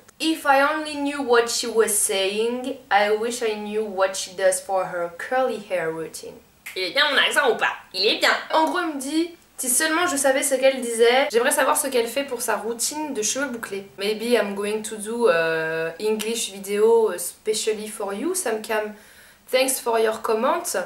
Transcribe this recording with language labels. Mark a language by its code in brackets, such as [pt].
[en] If I only knew what she was saying, I wish I knew what she does for her curly hair routine. [fr] Il est bien mon accent ou pas? Il est bien. En gros, il me dit, si seulement je savais ce qu'elle disait, j'aimerais savoir ce qu'elle fait pour sa routine de cheveux bouclés. [en] Maybe I'm going to do English video specially for you, Sam Cam. Thanks for your comment.